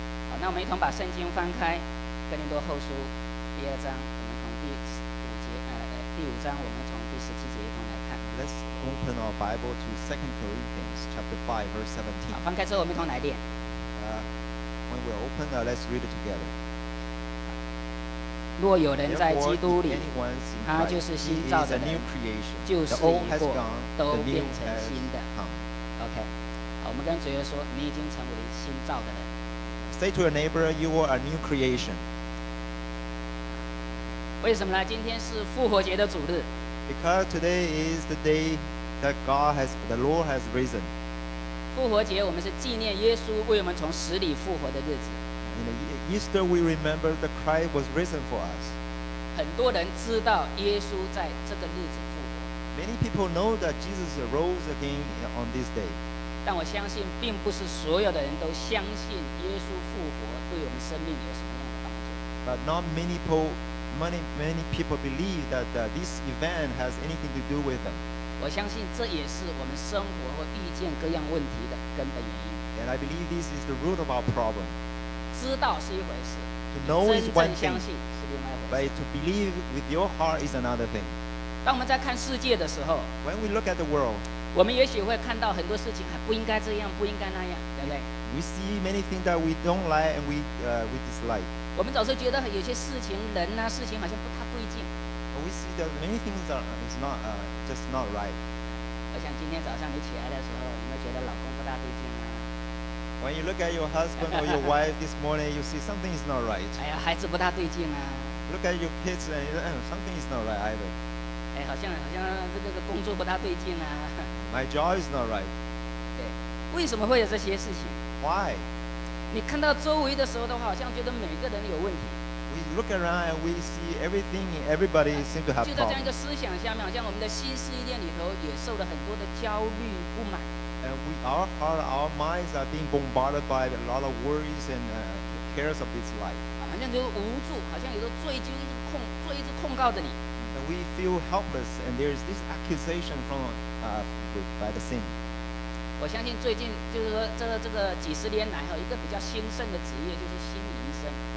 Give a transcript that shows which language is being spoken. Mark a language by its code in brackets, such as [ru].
[zh] 好，那我们一同把圣经翻开，哥林多后书第二章，我们从第五章，我们从第十七节一同来看。 [en] Let's open our Bible to 2 Corinthians chapter 5 verse 17. [zh] 好，翻开之后我们一同来念。 [en] When we open, let's read it together. [zh] 若有人在基督里，他就是新造的人，旧事已过，都变成新的。 OK， 好，我们跟主耶稣说，你已经成为新造的人。 [en] Say to your neighbor, you are a new creation. [zh] 为什么呢？今天是复活节的主日。 [en] Because today is the day that the Lord has risen. [zh] 复活节我们是纪念耶稣为我们从死里复活的日子。 [en] In Easter we remember the Christ was risen for us. [zh] 很多人知道耶稣在这个日子复活。 [en] Many people know that Jesus rose again on this day. [zh] 但我相信并不是所有的人都相信耶稣复活对我们生命有什么样的帮助。 [en] But not many people believe that this event has anything to do with them. [zh] 我相信这也是我们生活或遇见各样问题的根本原因。 [en] And I believe this is the root of our problem. [zh] 知道是一回事 [en] ，To know is one thing. [zh] 真正相信是另外一回事。 [en] But to believe with your heart is another thing. [zh] 当我们在看世界的时候 [en] ，When we look at the world, [zh] 我们也许会看到很多事情还不应该这样，不应该那样，对不对 [en] ？We see many things that we don't like and we dislike. [zh] 我们总是觉得有些事情、人啊、事情好像不太对劲。 [en] We see that many things are just not right. [zh] 我想今天早上你起来的时候，你们觉得老公不大对劲吗 [en] ？When you look at your husband or your wife this morning, you see something is not right. [zh] 哎呀，孩子不大对劲啊。 [en] Look at your kids and you say, something is not right either. [zh] 哎，好像这个工作不大对劲啊。 [en] My job is not right. [zh] 对，为什么会有这些事情 [en] ？Why? [zh] 你看到周围的时候的话，好像觉得每个人有问题。 [en] We look around and we see everything and everybody seems to have problems. [zh] 就在这样一个思想下面，好像我们的心思意念里头也受了很多的焦虑不满。 [en] And our heart, our minds are being bombarded by a lot of worries and cares of this life. [zh] 好像就是无助，好像有个罪一直控告着你。 [en] And we feel helpless and there is this accusation from by the sin. [zh] 我相信最近就是说这个几十年来哈，一个比较兴盛的职业就是心理医生。